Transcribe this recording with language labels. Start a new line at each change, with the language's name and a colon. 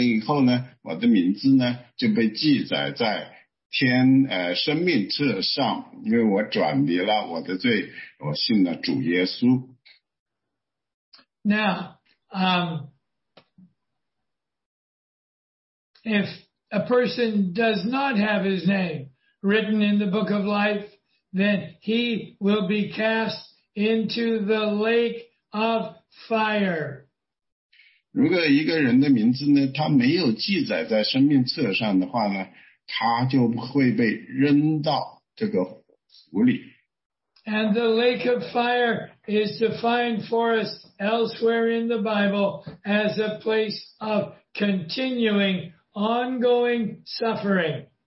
Chinese: 因为我的名字呢是记在了生命册上的。当我跟主耶稣基督说我是个罪人那一刻，我说主啊，我是个罪人，但是呢，我是配得去地狱的，我是应该下到火湖的。但是呢，我相信了主耶稣基督，我信了主耶稣基督呢，他饶恕了我的罪。他饶恕我罪了以后呢，我的名字呢就被记载在 天，生命册上，因为我转离了我的罪，我信了主耶稣。
English: Now, if a person does not have his name written in the book of life, then he will be cast into the lake of fire.
Chinese: 如果一个人的名字呢，他没有记载在生命册上的话呢？他就会被扔到这个湖里。
English: And the lake of fire is defined for us elsewhere in the Bible as a place of continuing, ongoing suffering.